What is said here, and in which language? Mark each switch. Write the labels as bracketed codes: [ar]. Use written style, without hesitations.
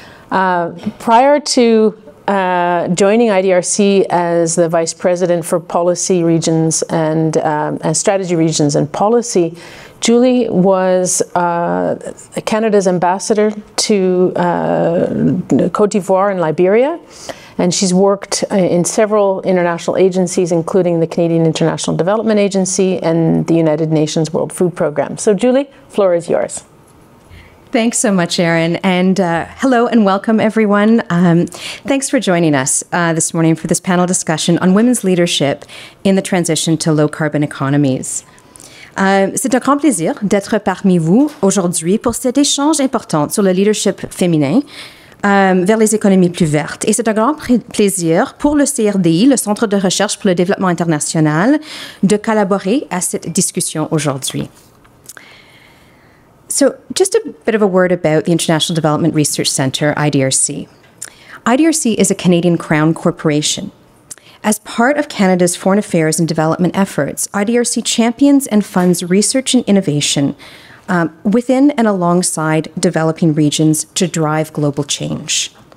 [en] Prior to joining IDRC as the vice president for policy regions and as strategy regions and policy, Julie was Canada's ambassador to Cote d'Ivoire and Liberia, and she's worked in several international agencies, including the Canadian International Development Agency and the United Nations World Food Programme. So Julie, floor is yours. Thanks so much, Erin, and hello and welcome, everyone. Thanks for joining us this morning for this panel discussion on women's leadership in the transition to low-carbon economies. [fr] C'est un grand plaisir d'être parmi vous aujourd'hui pour cet échange important sur le leadership féminin vers les économies plus vertes. Et c'est un grand plaisir pour le CRDI, le Centre de recherche pour le développement international, de collaborer à cette discussion aujourd'hui. [en] So, just a bit of a word about the International Development Research Center, IDRC. IDRC is a Canadian Crown corporation. As part of Canada's foreign affairs and development efforts, IDRC champions and funds research and innovation within and alongside developing regions to drive global change.